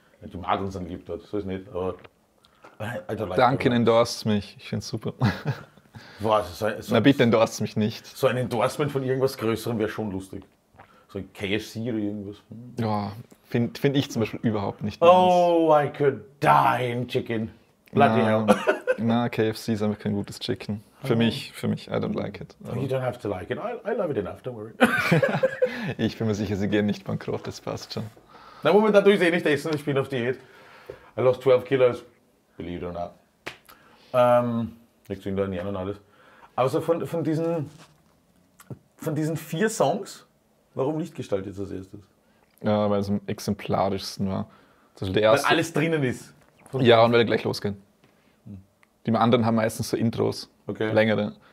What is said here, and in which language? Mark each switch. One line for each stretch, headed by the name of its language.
German: Du magst uns dann lieb dort, so ist nicht. Aber Alter, Dunkin' endorst mich, ich finde es super. Boah, so na bitte endorst mich nicht. So ein Endorsement von irgendwas Größerem wäre schon lustig. So ein KFC oder irgendwas. Ja, find ich zum Beispiel überhaupt nicht.
English: Oh, nice. I could die in chicken. Bloody hell.
German: Na, KFC ist einfach kein gutes Chicken. Für mich,
English: I don't like it. Aber. You don't have to like it. I love it enough, don't worry.
German: Ich bin mir sicher, sie gehen nicht bankrott, das passt schon. Na, momentan tue ich es eh nicht essen, ich bin auf Diät.
English: I lost 12 kilos, believe it or not.
German: Nichts wegen der Ernährung und alles. Außer von diesen von diesen 4 Songs, warum Lichtgestalt jetzt als erstes? Ja, weil es am exemplarischsten war. Das war der erste. Weil alles drinnen ist. Ja, und weil wir gleich losgehen. Die anderen haben meistens so Intros, okay, längere.